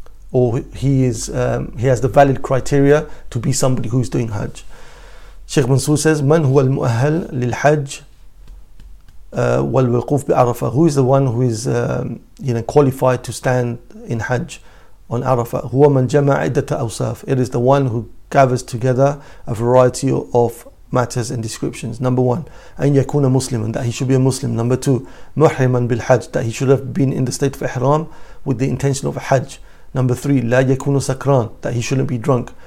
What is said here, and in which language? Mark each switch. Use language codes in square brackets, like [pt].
[en] Or he has the valid criteria to be somebody who is doing Hajj. Sheikh Mansour says, [ar] مَنْ هُوَ الْمُؤَهَلْ لِلْحَجِّ وَالْوِقُوفِ بِعَرَفَةَ [en] Who is the one who is qualified to stand in Hajj? On Arafah, [ar] هو من جمع عدة أوصاف. [en] It is the one who gathers together a variety of matters and descriptions. Number one, [ar] أن يكون مسلما, [en] that he should be a Muslim. Number two, [ar] محرما بالحج, [en] that he should have been in the state of Ihram with the intention of Hajj. Number three, [ar] لا يكون سكران, [en] that he shouldn't be drunk.